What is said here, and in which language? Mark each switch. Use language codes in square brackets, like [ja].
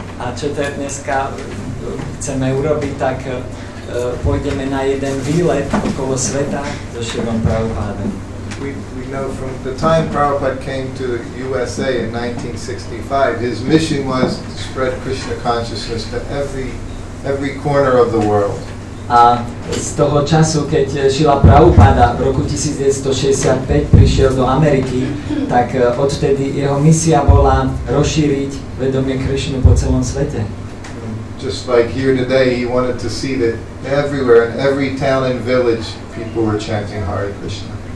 [sk] A čo to je dneska chceme urobiť, tak pôjdeme na jeden výlet okolo sveta so Srilom Prabhupádom. [en] We know from the time Prabhupada came to the USA in 1965, his mission was to spread Krishna consciousness to every corner of the world. [sk] A z toho času, keď Srila Prabhupada v roku 1965 prišiel do Ameriky, tak odtedy jeho misia bola rozšíriť vedomie Krishnu po celom svete. [en] Just like here today, he wanted to see that everywhere, in every town and village, people were chanting Hare Krishna.